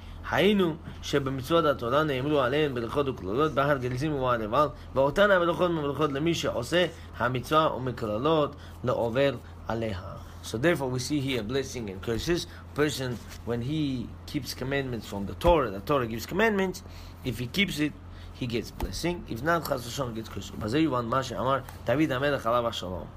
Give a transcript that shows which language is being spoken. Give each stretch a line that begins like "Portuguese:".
Hebrew: היינו שבמצוות התורה נאמרו עליהן ברכות וקללות בהר גריזים ובנבל, ואותן הברכות מברכות למי שעושה המצווה ומקללות לעובר עליה.
English: So therefore we see here blessing and curses. Person, when he keeps commandments from the Torah gives commandments, if he keeps it, he gets blessing. If not,
Hebrew: חס ושלום,
English: he gets cursed.
Hebrew: אז זהו מה שאמר דוד המלך עליו השלום.